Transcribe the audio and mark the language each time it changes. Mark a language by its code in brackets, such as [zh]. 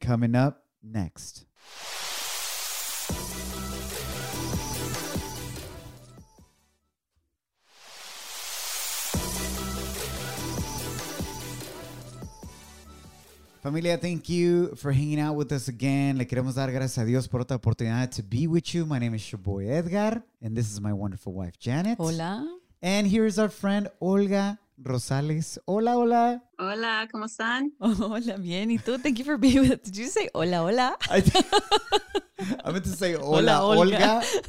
[en] Coming up next. Familia, thank you for hanging out with us again. [es] Le queremos dar gracias a Dios por otra oportunidad [en] to be with you. My name is your boy Edgar, and this is my wonderful wife, Janet. [es] Hola. [en] And here is our friend, Olga Rosales. [es] Hola, hola. Hola, ¿cómo están? Hola, bien. ¿Y tú? [en] Thank you for being with us. Did you say hola, hola? I meant to say hola, hola Olga.